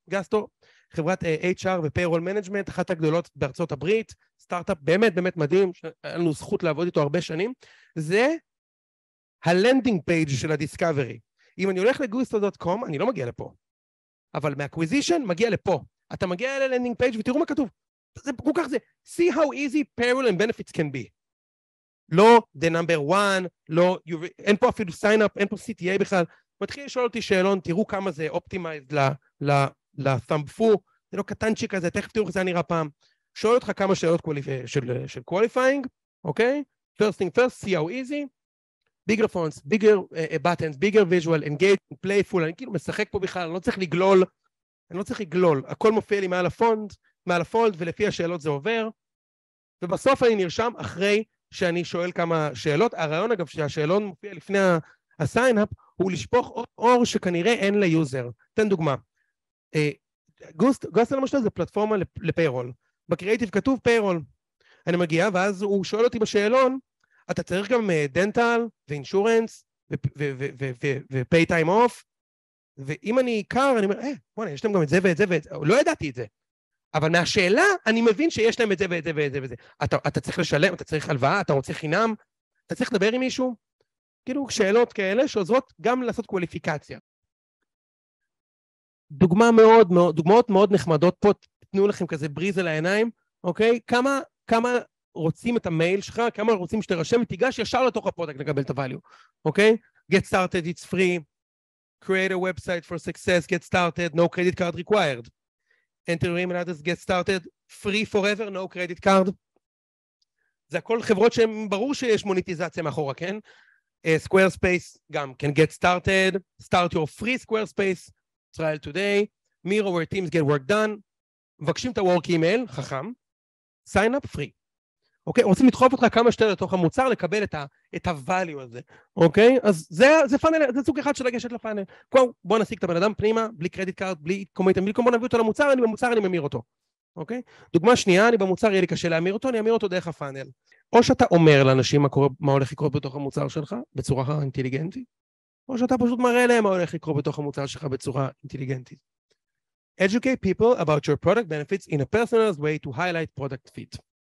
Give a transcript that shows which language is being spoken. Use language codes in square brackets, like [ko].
[he] גסטו, חברת HR ופיירול מנג'מנט, אחת הגדולות בארצות הברית, סטארט-אפ באמת באמת מדהים, שהיה לנו זכות לעבוד איתו הרבה שנים, זה הלנדינג פייג' של הדיסקאברי. אם אני הולך לגוסטו.com, אני לא מגיע לפה. אבל מאקוויזישן מגיע לפה. אתה מגיע אל הלנדינג פייג' ותראו מה כתוב. זה כל כך זה. [en] See how easy payroll and benefits can be. [he] לא [en] the number one, [he] לא, אין פה אפילו sign up, אין פה CTA בכלל. מתחיל לשאול אותי שאלון, תראו כמה זה אופטימייז לסמפו. זה לא קטנצ'י כזה, תכף תראו איך זה נראה פעם. שואל אותך כמה שאלות של qualifying, אוקיי? [en] First thing first, see how easy. Bigger fonts, bigger buttons, bigger visual, engaging, playful. [he] אני כאילו משחק פה בכלל, אני לא צריך לגלול. אני לא צריך לגלול, הכל מופיע לי מעל הפונד, מעל הפולד, ולפי השאלות זה עובר. ובסוף אני נרשם אחרי שאני שואל כמה שאלות. הרעיון אגב שהשאלון מופיע לפני הסיינאפ, הוא לשפוך אור שכנראה אין ליוזר. תן דוגמה. גוסטו למשל זה פלטפורמה לפיירול. בקריאיטיב כתוב פיירול. אני מגיע ואז הוא שואל אותי בשאלון, אתה צריך גם דנטל ואינשורנס ופיי טיים אוף? ואם אני עיקר, אני אומר, בוא'נה, יש להם גם את זה ואת זה ואת זה. לא ידעתי את זה. אבל מהשאלה, אני מבין שיש להם את זה ואת זה ואת זה ואת זה. אתה צריך לשלם, אתה צריך הלוואה, אתה רוצה חינם, אתה צריך לדבר עם מישהו. כאילו, שאלות כאלה שעוזרות גם לעשות קואליפיקציה. דוגמה מאוד, מאוד, דוגמאות מאוד נחמדות פה, תנו לכם כזה בריז על העיניים, אוקיי? כמה רוצים את המייל שלך, כמה רוצים שתרשם, תיגש ישר לתוך הפרודקט לקבל את הvalue, אוקיי? [en] Get started, it's free. Create a website for success, get started, no credit card required. Enter your email address, get started, free forever, no credit card. [he] זה הכל חברות שהן ברור שיש מוניטיזציה מאחורה, כן? [en] Squarespace גם, can get started, start your free Squarespace, trial today, Miro where teams get work done, [he] מבקשים את [en] ה-work email, [he] חכם, [en] sign up free. [he] אוקיי, רוצים לדחוף אותך כמה שתי לתוך המוצר לקבל את ה-value הזה, אוקיי? אז זה פאנל, זה סוג אחד של לגשת לפאנל. כלומר, בוא נשיג את הבן אדם פנימה, בלי קרדיט קארד, בלי קומיטם, בלי קומו נביא אותו למוצר, אני במוצר, אני ממיר אותו, אוקיי? דוגמה שנייה, אני במוצר, יהיה לי קשה להמיר אותו, אני אמיר אותו דרך הפאנל. או שאתה אומר לאנשים מה הולך לקרות בתוך המוצר שלך, בצורה אינטליגנטית, או שאתה פשוט מראה להם מה הולך לקרות בתוך המוצר שלך בצורה אינטליגנטית. [en] Educate people about your product benefits in a personalized way to highlight product fit.